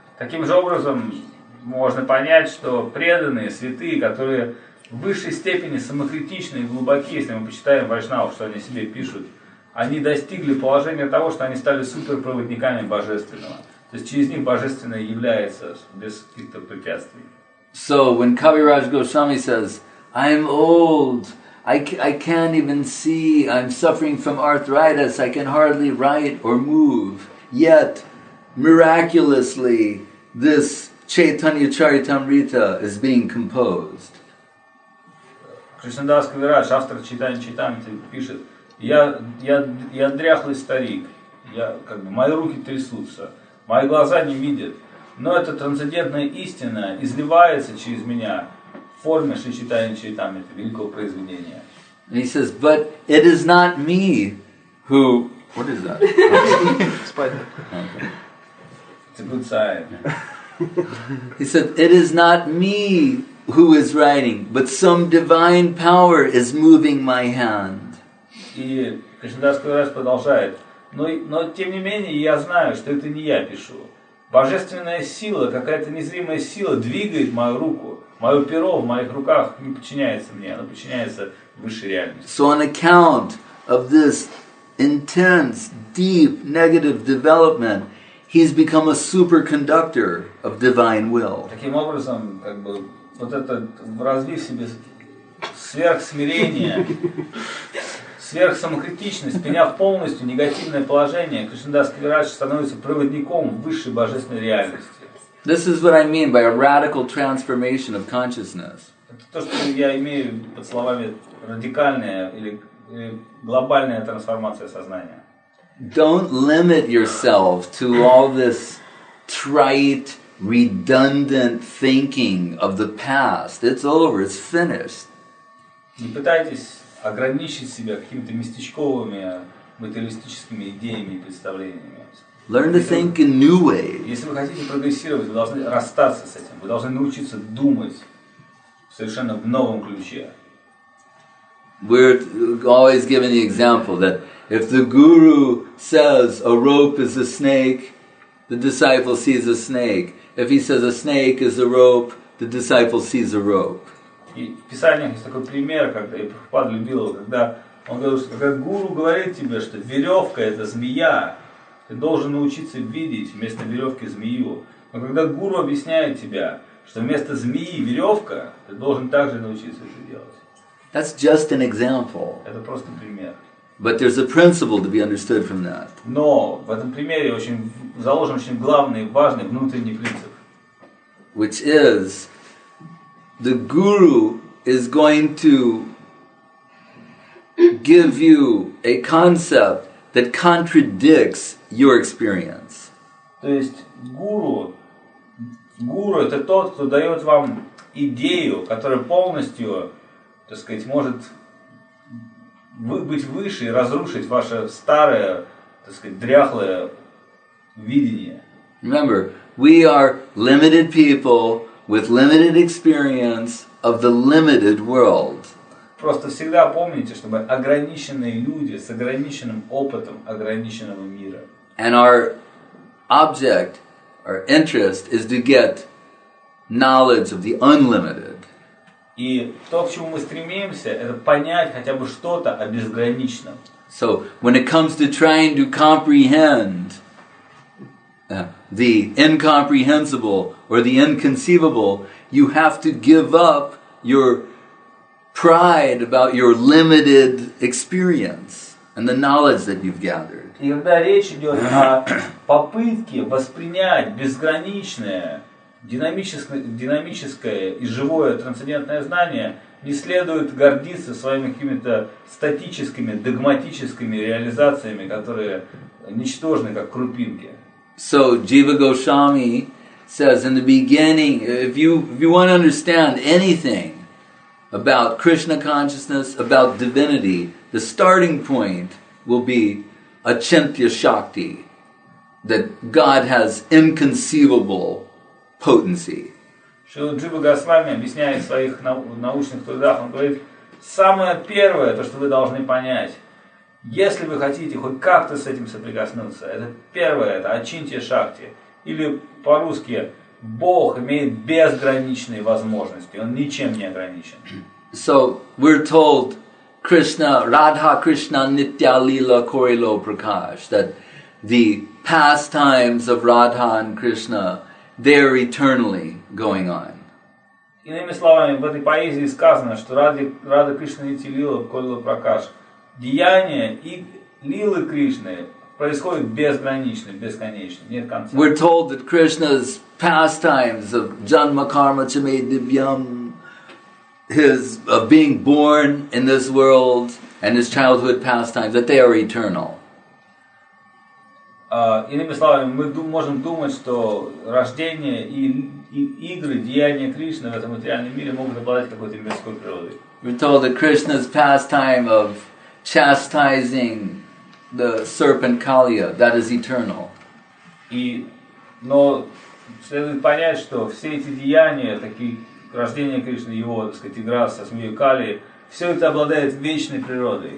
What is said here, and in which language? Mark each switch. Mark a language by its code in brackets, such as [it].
[ru] Таким же образом, можно понять, что преданные, святые, которые в высшей степени самокритичны и глубоки, если мы почитаем вайшнав, что они себе пишут, они достигли положения того, что они стали суперпроводниками Божественного. То есть через них Божественное является без каких-то препятствий. [en] So, when Kaviraj Goswami says, I'm old, I can't even see, I'm suffering from arthritis, I can hardly write or move, yet, miraculously, this Chaitanya Charitamrita is being composed. [ru] Кришнадас Кавираш, автор Чайтанья Чайтамриты, пишет: Я дряхлый старик, я, как бы, мои руки трясутся, мои глаза не видят, Но эта трансцендентная истина изливается через меня в форме Шри Чайтаньи Чаритамриты, великого произведения. [en] And he says, but it is not me who... What is that? Spider. It's a good sign. He said, it is not me who is writing, but some divine power is moving my hand. [ru] И Кришнадас Кавирадж продолжает, но тем не менее я знаю, что это не я пишу. Божественная сила, какая-то незримая сила двигает мою руку. Мое перо в моих руках не подчиняется мне, оно подчиняется высшей реальности. [en] So on account of this intense, deep, negative development, he's become a superconductor of divine will. [ru] Таким образом, как бы, вот это развив себе сверхсмирение, сверхсамокритичность, приняв полностью негативное положение, Кришнадас Кавирадж становится проводником высшей божественной реальности. [en] This is what I mean by a radical transformation of consciousness. [ru] Это то, что я имею под словами радикальная или глобальная трансформация сознания. [en] Don't limit yourself to all this trite, redundant thinking of the past. It's over, it's finished. [ru] Не пытайтесь ограничить себя какими-то местечковыми, материалистическими идеями и представлениями. [en] Learn to think in new ways. [ru] Если вы хотите прогрессировать, вы должны расстаться с этим. Вы должны научиться думать совершенно в новом ключе. [en] We're always given the example that if the guru says a rope is a snake, the disciple sees a snake. If he says a snake is a rope, the disciple sees a rope. [ru] И в Писаниях есть такой пример, когда я Прабхупада любил, когда он говорит, что когда гуру говорит тебе, что веревка это змея, ты должен научиться видеть вместо веревки змею. Но когда гуру объясняет тебя, что вместо змеи веревка, ты должен также научиться это делать. [en] That's just an example. [ru] Это просто пример. [en] But there's a principle to be understood from that. [ru] Но в этом примере очень заложен очень главный, важный внутренний принцип. [en] Which is, the guru is going to give you a concept that contradicts your experience. [ru] То есть гуру это тот, кто дает вам идею, которая полностью, так сказать, может быть выше и разрушить ваше старое, так сказать, дряхлое видение. [en] Remember, we are limited people with limited experience of the limited world. [ru] Просто всегда помните, что мы ограниченные люди с ограниченным опытом ограниченного мира. [en] And our object, our interest, is to get knowledge of the unlimited. [ru] И то, к чему мы стремимся, это понять хотя бы что-то о безграничном. [en] So, when it comes to trying to comprehend the incomprehensible or the inconceivable, you have to give up your pride about your limited experience and the knowledge that you've gathered. [ru] И когда речь идет о попытке воспринять безграничное, динамическое и живое трансцендентное знание, не следует гордиться своими какими-то статическими, догматическими реализациями, которые ничтожны, как крупинки. [en] So, Jiva Goswami says in the beginning, if you want to understand anything about Krishna consciousness, about divinity, the starting point will be Achintya Shakti, that God has inconceivable potency. [ru] Шрила Джива Госвами объясняет в своих научных трудах, он говорит, самое первое, то, что вы должны понять, если вы хотите хоть как-то с этим соприкоснуться, это первое, это Achintya Shakti, или по-русски Бог имеет безграничные возможности, он ничем не ограничен. [en] So we're told Krishna, [bn] Radha Krishna Nitya Lila Korilo Prakash, [en] that the pastimes of Radha and Krishna, they're eternally going on. [ru] Иными словами, в этой поэзии сказано, что [bn] Радха Кришна Нитья Лила Корило Пракаш, [ru] деяния и Лилы Кришны происходят безгранично, бесконечно, нет конца. [en] We're told that Krishna's pastimes of [sa] Janma Karma Chame Divyam, [en] his of being born in this world and his childhood pastimes, that they are eternal. [ru] Иными словами, мы можем думать, что рождение и игры, деяния Кришны в этом материальном мире могут обладать какой-то мирской природой. [en] We're told that Krishna's pastime of chastising the serpent Kaliya, that is eternal. [ru] Но следует понять, что все эти деяния, такие рождение Кришны, его, так сказать, игра со змеей Кали, все это обладает вечной природой.